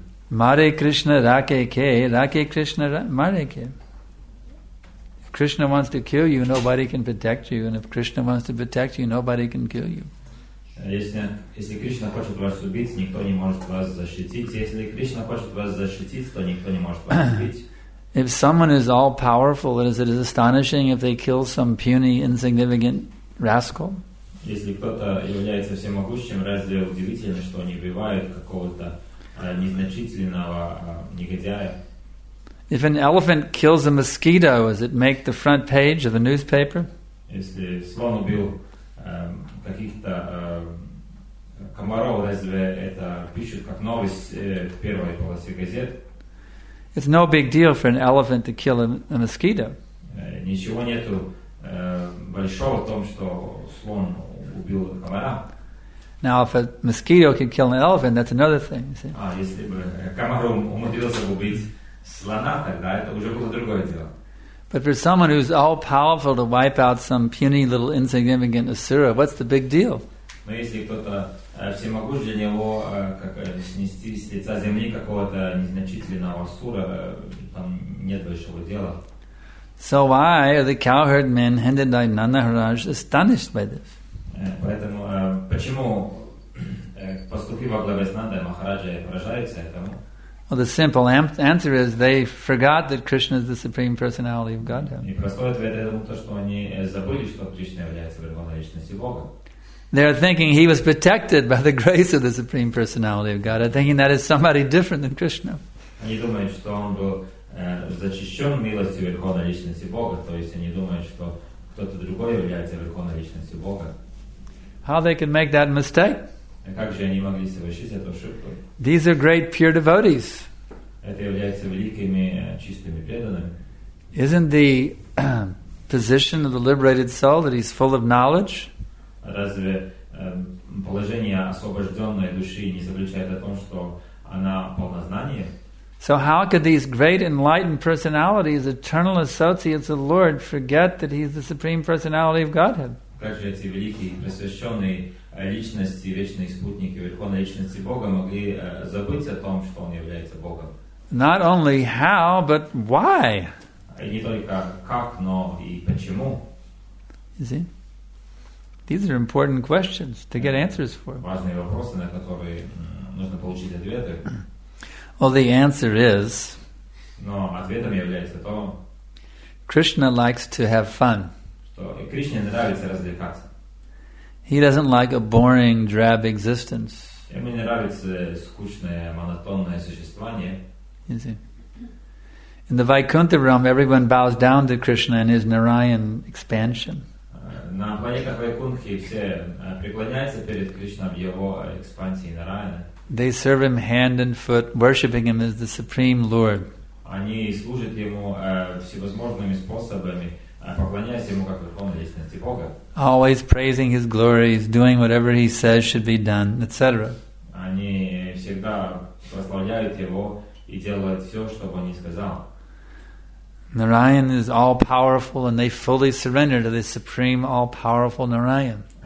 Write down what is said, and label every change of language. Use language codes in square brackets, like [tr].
[hi] Mare Krishna Rake Ke, Rake Krishna Mare Ke. [en] Krishna wants to kill you, nobody can protect you. And if Krishna wants to protect you, nobody can kill you. [ru] Если Кришна хочет вас убить, никто не может вас защитить. Если Кришна хочет вас защитить, то никто не может вас убить. [en] If someone is all powerful, it is astonishing if they kill some puny, insignificant rascal. [ru] Если кто-то является всемогущим, разве удивительно, что они убивают какого-то незначительного негодяя? [en] If an elephant kills a mosquito, does it make the front page of the newspaper? [ru] Если слон убил каких-то комаров, разве это пишут как новость в первой полосе газет? [en] It's no big deal for an elephant to kill a mosquito. [ru] Ничего нету большого в том, что слон убил комара. [en] Now, if a mosquito can kill an elephant, that's another thing. [ru] Если бы комар умудрился убить слона, тогда это уже было другое дело. [en] But for someone who's all powerful to wipe out some puny little insignificant asura, what's the big deal? [ru] Но если кто-то всемогущ, для него как снести с лица земли какого-то незначительного асура, там нет большого дела. [en] So why are the cowherd men handed by Nanaharaj astonished by this? [ru] Поэтому почему пастухи во главе с Нандой Махараджа поражаются этому? [en] Well, the simple answer is they forgot that Krishna is the Supreme Personality of Godhead. [ru] И простой ответ этому то, что они забыли, что Кришна является верховной личностью Бога. [en] They're thinking he was protected by the grace of the Supreme Personality of God, thinking that is somebody different than Krishna. [ru] Они думают, что он был защищен милостью Верховной Личности Бога, то есть они думают, что кто-то другой является Верховной Личностью Бога. [en] How they can make that mistake? [ru] Как же они могли совершить эту ошибку? [en] These are great pure devotees. [ru] Это являются великими чистыми преданными. [en] Isn't the position of the liberated soul that he's full of knowledge? [ru] Разве положение освобожденной души не заключает о том, что она полна знания? [en] So how could these great enlightened personalities, eternal associates of the Lord, forget that he's the Supreme Personality of Godhead? [ru] Как же эти великие просвещенные личности, вечные спутники Верховной Личности Бога могли забыть о том, что он является Богом? [en] Not only how, but why? [ru] И не только как, но и почему? [en] You see? These are important questions to get answers for. [ru] Важные вопросы, на которые нужно получить ответы. [en] Well, the answer is. [ru] Но ответом является то. [en] Krishna likes to have fun. [ru] Что Кришне нравится развлекаться. [en] He doesn't like a boring, drab existence. [ru] Ему не нравится скучное, монотонное существование. [en] You see. In the Vaikuntha realm, everyone bows down to Krishna and his Narayan expansion. [ru] На планетах Вайкунхи все преклоняются перед Кришной в его экспансии Нараяна. [en] They serve him hand and foot, worshiping him as the Supreme Lord. [ru] Они служат ему всевозможными способами, поклоняясь ему как Верховной Личности Бога. [en] Always praising his glories, doing whatever he says should be done, etc. [ru] Они всегда прославляют его и делают все, что бы он сказал. [en] Narayan is all powerful, and they fully surrender to the supreme, all powerful Narayan.